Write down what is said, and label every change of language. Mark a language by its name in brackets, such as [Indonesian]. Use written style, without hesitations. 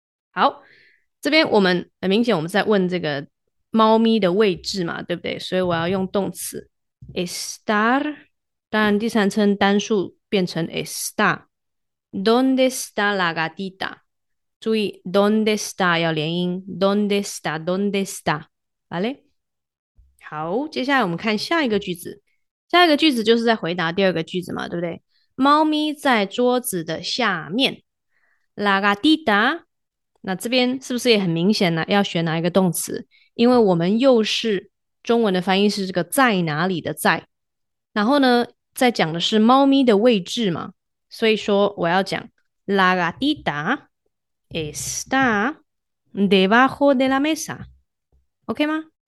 [Chinese] 好。这边我们很明显我们在问这个猫咪的位置嘛，对不对？所以我要用动词 estar， 当然第三称单数变成 está。 [Spanish] Donde está la gatita？ [Chinese] 注意 [Spanish] Donde está [Chinese] 要连音， Donde está， Donde está， vale？好，接下来我们看下一个句子。下一个句子就是在回答第二个句子嘛，对不对？猫咪在桌子的下面， [Spanish] la gatita。 [Chinese] 那这边是不是也很明显呢？要选哪一个动词？因为我们又是中文的翻译是这个在哪里的在，然后呢，在讲的是猫咪的位置嘛，所以说我要讲 [Spanish] La gatita está debajo de la mesa， [Chinese] OK 吗？